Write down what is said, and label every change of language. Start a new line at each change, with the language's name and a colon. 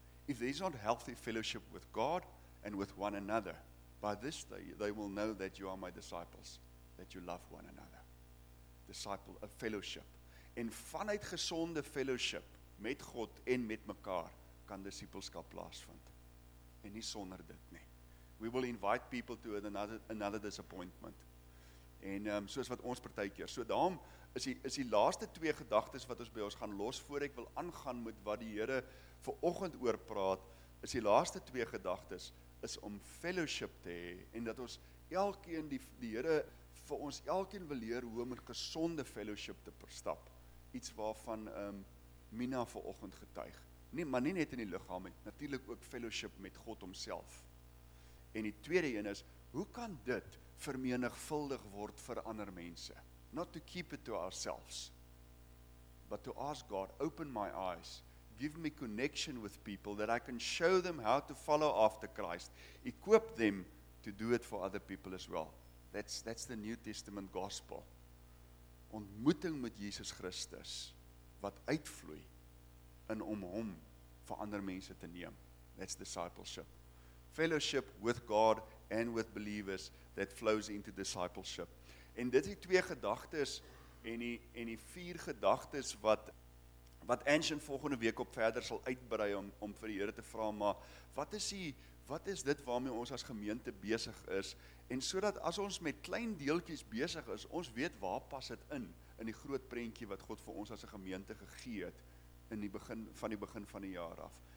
English: If there is not healthy fellowship with God and with one another, by this they will know that you are my disciples, that you love one another. Disciple, a fellowship.
Afrikaans: En vanuit gesonde fellowship met God en met mekaar kan discipleskap plaasvind. En nie sonder dit nie.
English: We will invite people to another disappointment.
Afrikaans: En soos wat ons partykeer. So daarom is die laaste twee gedagtes wat ons by ons gaan los voor ek wil aangaan met wat die Here vir oggend oor praat, is die laaste twee gedagtes is om fellowship te hê en dat ons elkeen die Here vir ons elkeen wil leer hoe om 'n gesonde fellowship te verstap. Iets waarvan Mina vir oggend getuig. Nee, maar nie net in die liggaam nie, natuurlik ook fellowship met God homself. En die tweede een is, hoe kan dit vermenigvuldig word vir ander mense?
English: Not to keep it to ourselves, but to ask God, open my eyes, give me connection with people that I can show them how to follow after Christ, equip them to do it for other people as well. That's the New Testament gospel.
Afrikaans: Ontmoeting met Jesus Christus, wat uitvloei in om hom vir ander mense te neem.
English: That's discipleship. Fellowship with God and with believers that flows into discipleship.
Afrikaans: En dit is die twee gedagtes en die vier gedagtes wat Anshin volgende week op verder sal uitbrei om vir die Here te vra, maar wat is dit waarmee ons as gemeente besig is? En sodat as ons met klein deeltjies besig is, ons weet waar pas dit in die groot prentjie wat God vir ons as 'n gemeente gegee het in die begin van die begin van die jaar af.